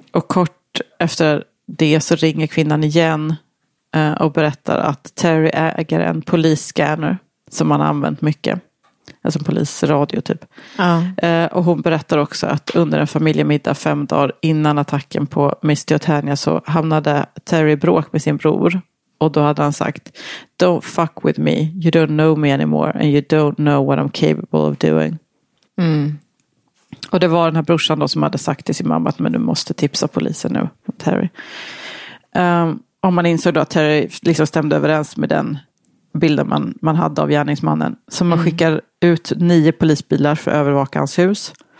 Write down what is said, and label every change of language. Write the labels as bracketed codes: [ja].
[sv] Och kort efter det så ringer kvinnan igen och berättar att Terry äger en police scanner som han har använt mycket. alltså polisradio typ. Ja. Och hon berättar också att under en familjemiddag 5 dagar innan attacken på Miss Diotania så hamnade Terry bråk med sin bror. Och då hade han sagt, [en] don't fuck with me, you don't know me anymore and you don't know what I'm capable of doing. Mm. [sv] Och det var den här brorsan då som hade sagt till sin mamma att men du måste tipsa polisen nu, Terry. Om man insåg då att Terry liksom stämde överens med den bilden man hade av gärningsmannen. Så man skickar ut 9 polisbilar för att övervaka hans hus.